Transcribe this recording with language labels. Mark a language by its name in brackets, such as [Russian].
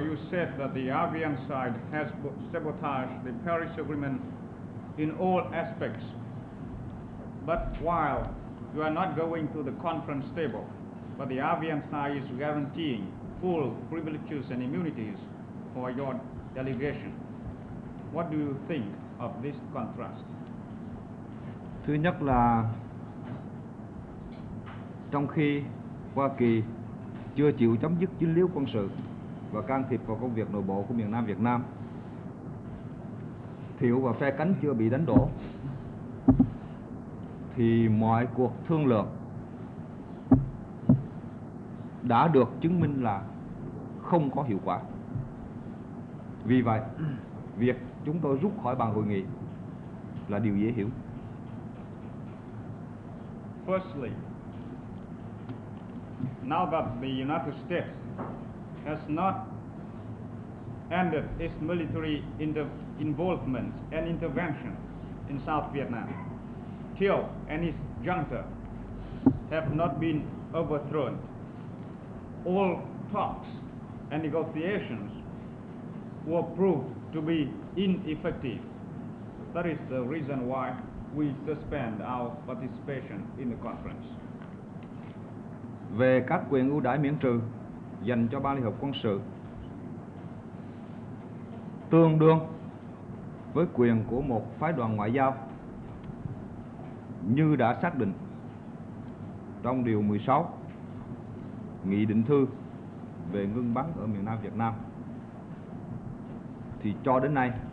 [English] Said that the RVM side has sabotaged the Paris Agreement in all aspects. But while you are not going to the conference table, but the RVM side is guaranteeing full privileges and immunities for your delegation. What do you think of this contrast? [Vietnamese] Thứ nhất là trong khi Hoa Kỳ chưa chịu chấm dứt dính líu quân sự và can thiệp vào công việc nội bộ của miền Nam Việt Nam, Thiệu và phe cánh chưa bị đánh đổ, thì mọi cuộc thương lượng đã được chứng minh là không có hiệu quả. Vì vậy, việc chúng tôi rút khỏi bàn hội nghị là điều dễ hiểu. [English] Firstly, now that the United States has not ended its military involvement and intervention in South Vietnam, Thieu and his junta have not been overthrown. All talks and negotiations were proved to be ineffective. That is the reason why we suspend our participation in the conference. [Vietnamese] Về các quyền ưu đãi miễn trừ dành cho Ban Liên Hợp Quân sự tương đương với quyền của một phái đoàn ngoại giao như đã xác định trong điều 16 nghị định thư về ngưng bắn ở miền Nam Việt Nam, thì cho đến nay